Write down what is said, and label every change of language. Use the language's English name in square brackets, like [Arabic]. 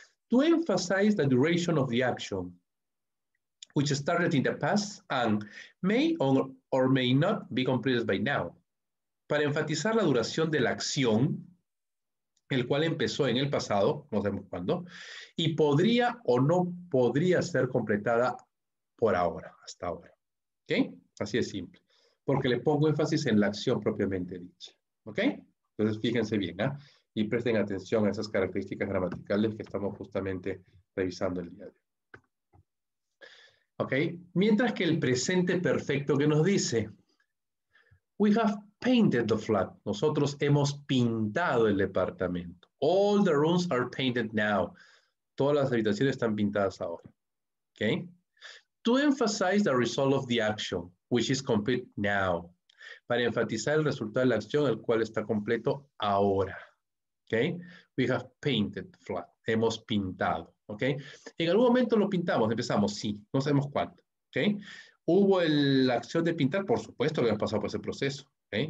[English] To emphasize the duration of the action, which started in the past and may or may not be completed by now. [Spanish] Para enfatizar la duración de la acción, el cual empezó en el pasado, no sabemos cuándo, y podría o no podría ser completada por ahora, hasta ahora. ¿Ok? Así de simple. Porque le pongo énfasis en la acción propiamente dicha. ¿Ok? Entonces, fíjense bien, ¿eh? Y presten atención a esas características gramaticales que estamos justamente revisando el día de hoy. Okay. Mientras que el presente perfecto que nos dice, [English] we have painted the flat. [Spanish] Nosotros hemos pintado el departamento. [English] All the rooms are painted now. [Spanish] Todas las habitaciones están pintadas ahora. Okay. [English] To emphasize the result of the action, which is complete now. [Spanish] Para enfatizar el resultado de la acción, el cual está completo ahora. [English] Okay. We have painted the flat. [Spanish] Hemos pintado. [English] ¿Ok? [Spanish] En algún momento lo pintamos, empezamos, sí, no sabemos cuánto. ¿Ok? Hubo la acción de pintar, por supuesto que hemos pasado por ese proceso, ¿ok?